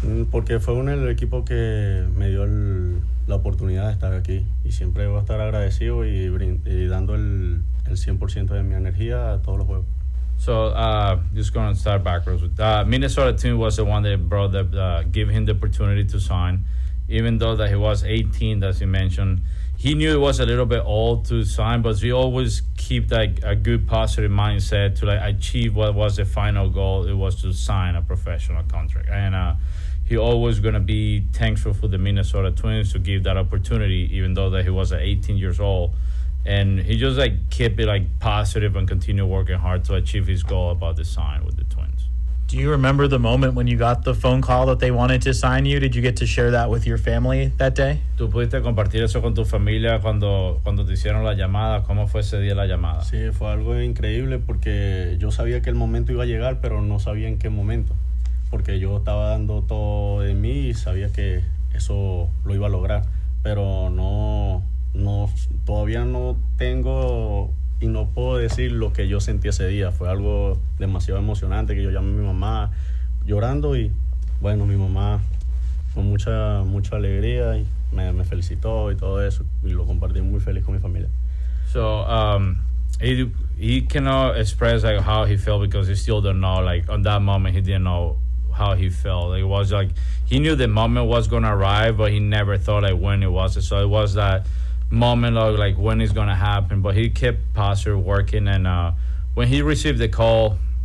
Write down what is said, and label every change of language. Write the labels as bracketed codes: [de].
[es] Porque fue uno del equipo que me dio la oportunidad de estar aquí, y siempre voy a estar agradecido y dando el 100% de mi energía a todos los juegos. [en] So, just going to start backwards. Minnesota team was the one that brought gave him the opportunity to sign, even though that he was 18, as you mentioned. He knew it was a little bit old to sign, but he always kept, like, a good positive mindset to, like, achieve what was the final goal. It was to sign a professional contract. And he always going to be thankful for the Minnesota Twins to give that opportunity, even though that he was 18 years old. And he just, like, kept it, like, positive and continued working hard to achieve his goal about the sign with the Twins. Do you remember the moment when you got the phone call that they wanted to sign you? Did you get to share that with your family that day? [es] ¿Tú pudiste compartir eso con tu familia cuando te hicieron la llamada? ¿Cómo fue ese día la llamada? Sí, fue algo increíble, porque yo sabía que el momento iba a llegar, pero no sabía en qué momento, porque yo estaba dando todo de mí y sabía que eso lo iba a lograr, pero no, todavía no tengo y no puedo decir lo que yo sentí ese día. Fue algo demasiado emocionante, que yo llamé a mi mamá llorando, y bueno, mi mamá con mucha mucha alegría y me felicitó y todo eso, y lo compartí muy feliz con mi familia. [en] So he cannot express, like, how he felt, because he still don't know, like, on that moment he didn't know how he felt. It was like he knew the moment was gonna arrive, but he never thought, like, when it was. So it was that moment of, like, when it's gonna happen, but he kept positive working, and when he received the call